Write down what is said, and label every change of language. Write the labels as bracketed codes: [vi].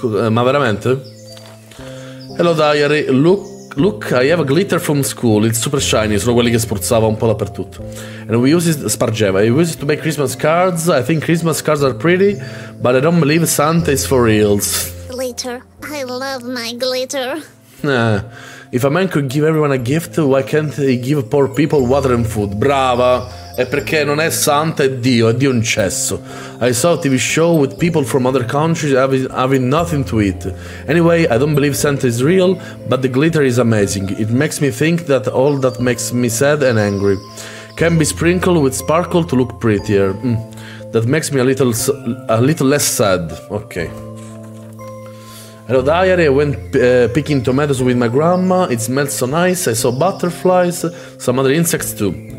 [en] Ma veramente? Hello diary, look, I have a glitter from school, it's super shiny, [it] sono quelli che spruzzava un po' dappertutto. [en] And we use it, [it] spargeva, [en] I use it to make Christmas cards, I think Christmas cards are pretty, but I don't believe Santa is for reals. Glitter, I love my glitter. If a man could give everyone a gift, why can't he give poor people water and food? [it] Brava! È perché non è Santa, è Dio un cesso. [en] I saw a TV show with people from other countries having nothing to eat. Anyway, I don't believe Santa is real, but the glitter is amazing. It makes me think that all that makes me sad and angry can be sprinkled with sparkle to look prettier. That makes me a little less sad. Okay. Hello diary, I went picking tomatoes with my grandma, it smelled so nice, I saw butterflies, some other insects too.